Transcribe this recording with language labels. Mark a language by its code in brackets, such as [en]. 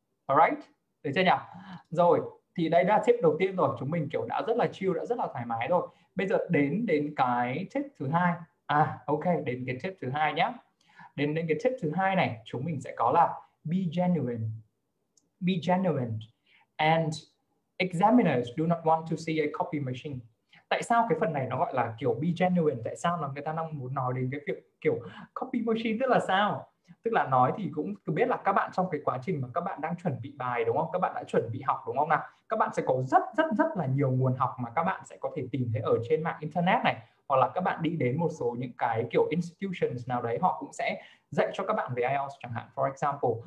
[vi] Alright, được chưa nhỉ? Rồi, thì đây là tip đầu tiên rồi. Chúng mình kiểu đã rất là chill, đã rất là thoải mái rồi. Bây giờ đến cái tip thứ hai. À, ok, đến cái tip thứ hai nhá. Đến cái tip thứ hai này, chúng mình sẽ có là [en] be genuine. Be genuine. And examiners do not want to see a copy machine. [vi] Tại sao cái phần này nó gọi là kiểu be genuine? Tại sao là người ta đang muốn nói đến cái việc kiểu copy machine, tức là sao? Tức là nói thì cũng biết là các bạn trong cái quá trình mà các bạn đang chuẩn bị bài, đúng không? Các bạn đã chuẩn bị học, đúng không nào? Các bạn sẽ có rất rất rất là nhiều nguồn học mà các bạn sẽ có thể tìm thấy ở trên mạng internet này, hoặc là các bạn đi đến một số những cái kiểu institutions nào đấy, họ cũng sẽ dạy cho các bạn về IELTS chẳng hạn, for example.